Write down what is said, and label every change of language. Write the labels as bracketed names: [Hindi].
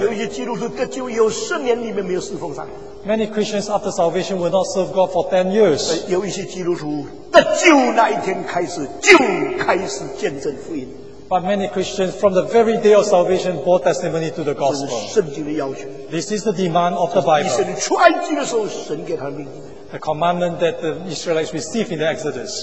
[Chinese] 有些基督徒得救以后十年里面没有侍奉上帝。 [English] Many Christians after salvation will not serve God for 10 years. [Chinese] 有一些基督徒得救那一天开始就开始见证福音。 [English] But many Christians from the very day of salvation bore testimony to the gospel. [Chinese] 这是圣经的要求。 [English] This is the demand of the Bible. [Chinese] 以色列出埃及的时候，神给他命令。 [English] The commandment that the Israelites received in the Exodus.